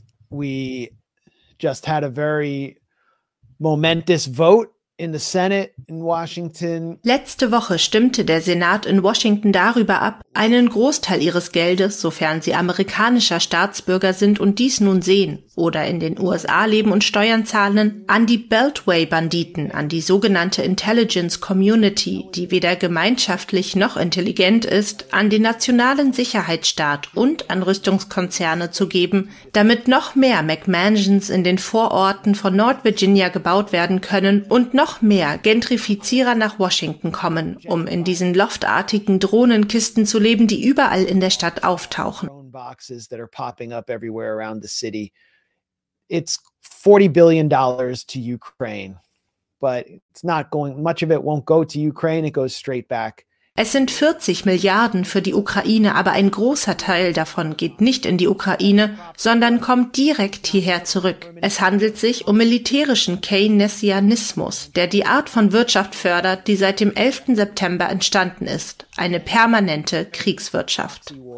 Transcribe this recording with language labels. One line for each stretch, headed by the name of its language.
English: we just had a very momentous vote in the Senate in Washington.
German: Letzte Woche stimmte der Senat in Washington darüber ab, einen Großteil ihres Geldes, sofern sie amerikanischer Staatsbürger sind und dies nun sehen oder in den USA leben und Steuern zahlen, an die Beltway-Banditen, an die sogenannte Intelligence Community, die weder gemeinschaftlich noch intelligent ist, an den nationalen Sicherheitsstaat und an Rüstungskonzerne zu geben, damit noch mehr McMansions in den Vororten von North Virginia gebaut werden können und noch mehr Gentrifizierer nach Washington kommen, um in diesen loftartigen Drohnenkisten zu leben, die überall in der Stadt auftauchen.
English: Boxes that are popping up everywhere around the city. It's $40 billion to Ukraine, but it's not going, much of it won't go to Ukraine, it goes straight back.
German: Es sind 40 Milliarden für die Ukraine, aber ein großer Teil davon geht nicht in die Ukraine, sondern kommt direkt hierher zurück. Es handelt sich um militärischen Keynesianismus, der die Art von Wirtschaft fördert, die seit dem 11. September entstanden ist. Eine permanente Kriegswirtschaft.